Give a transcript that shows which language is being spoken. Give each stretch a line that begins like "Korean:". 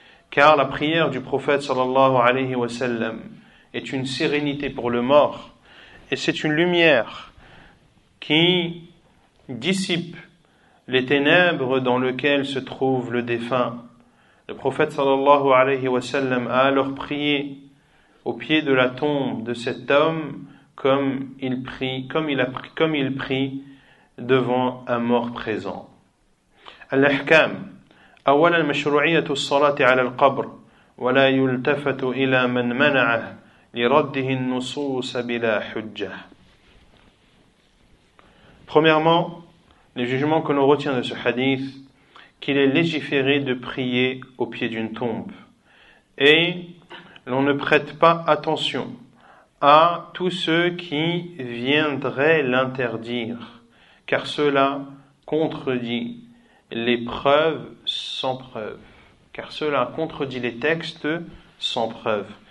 French: Car la prière du prophète sallallahu alayhi wa sallam est une sérénité pour le mort et c'est une lumière qui dissipe les ténèbres dans lesquelles se trouve le défunt. Le prophète sallallahu alayhi wa sallam a alors prié au pied de la tombe de cet homme comme il prie devant un mort présent.
Arabic: Al-Ahkam. أولا مشروعية الصلاة على القبر ولا يلتفت إلى من منعه لرده النصوص بلا حجة.
French: Premièrement, le jugement que l'on retient de ce hadith, qu'il est légiféré de prier au pied d'une tombe. Et l'on ne prête pas attention à tous ceux qui viendraient l'interdire, car cela contredit les preuves sans preuve, car cela contredit les textes sans preuve.